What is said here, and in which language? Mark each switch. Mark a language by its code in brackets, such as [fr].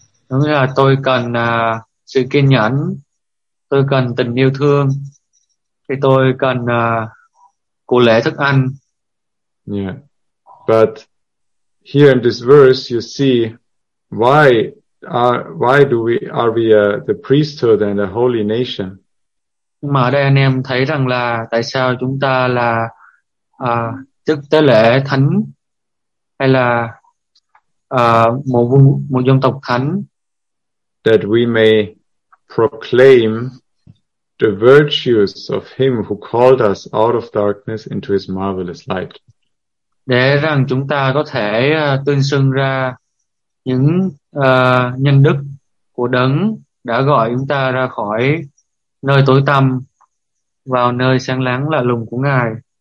[vi] Đúng là tôi cần sự kiên nhẫn, tôi cần tình yêu thương, thì tôi cần cụ lễ thức ăn. [en] Yeah, but here in this verse, you see why are we the priesthood and a holy nation? [vi] Nhưng mà ở đây anh em thấy rằng là tại sao chúng ta là chức tế lễ thánh hay là một dân tộc thánh? [en] That we may proclaim the virtues of Him who called us out of darkness into His marvelous light. [vi] Để rằng chúng ta có thể tuyên xưng ra những nhân đức của Đấng đã gọi chúng ta ra khỏi nơi tối tăm vào nơi sáng láng lạ lùng của Ngài.